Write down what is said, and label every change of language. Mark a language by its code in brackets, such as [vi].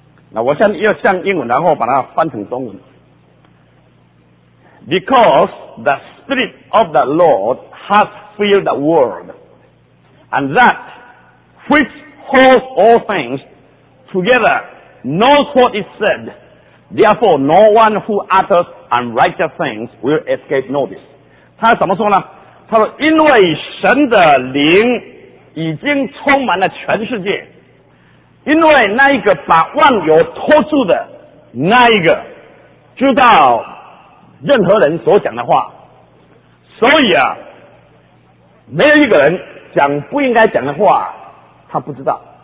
[zh] 那我先要向英文，然后把它翻成中文。 [en] Because the Spirit of the Lord has filled the world, and that which holds all things together knows what is said, Therefore, no one who utters unrighteous things will escape notice. [zh] 他怎么说呢？他说，因为神的灵已经充满了全世界，因为那一个把万有托住的那一个知道任何人所讲的话，所以啊，没有一个人讲不应该讲的话他不知道。